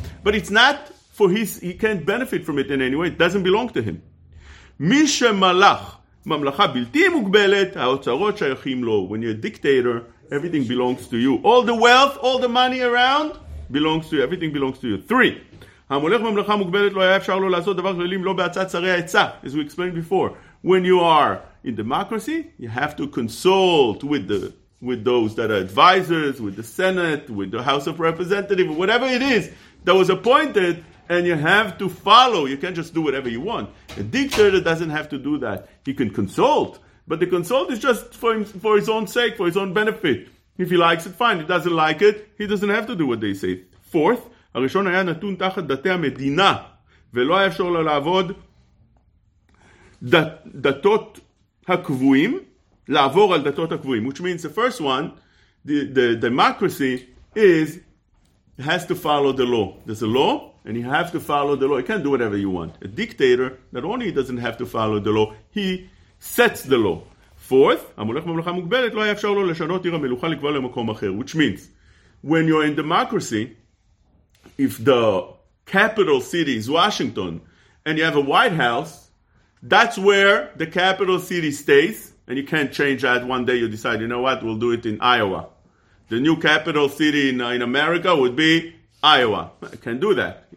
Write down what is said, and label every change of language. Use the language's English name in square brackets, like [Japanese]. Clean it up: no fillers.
[English] But it's not for his, he can't benefit from it in any way, it doesn't belong to him. [Hebrew] מי שמלך, ממלכה בלתי מוגבלת, האוצרות שייכים לו. [English] When you're a dictator, everything belongs to you. All the wealth, all the money around belongs to you, everything belongs to you. Three. [Hebrew] המולך ממלכה מוגבלת לא היה אפשר לו לעשות דבר כללים לא בעצת שרי העצה. [English] As we explained before, when you are in democracy, you have to consult with those that are advisors, with the Senate, with the House of Representatives, whatever it is that was appointed, and you have to follow. You can't just do whatever you want. A dictator doesn't have to do that. He can consult, but the consult is just for his own sake, for his own benefit. If he likes it, fine. If he doesn't like it, he doesn't have to do what they say. Fourth, [Hebrew] הראשון היה נתון תחת דתי המדינה, ולא היה אפשר לו לעבוד דתות הקבועים, לעבור על דתות הקבועים. [English] Which means the first one, the democracy is, has to follow the law. There's a law, and you have to follow the law. You can't do whatever you want. A dictator, not only doesn't have to follow the law, he sets the law. Fourth, [Hebrew] המולך ממלכה מוגבלת, לא היה אפשר לו לשנות עיר המלוכה לקבוע למקום אחר. [English] Which means, when you're in democracy, if the capital city is Washington and you have a White House, that's where the capital city stays and you can't change that. One day you decide, you know what, we'll do it in Iowa. The new capital city in America would be Iowa. I can't do that.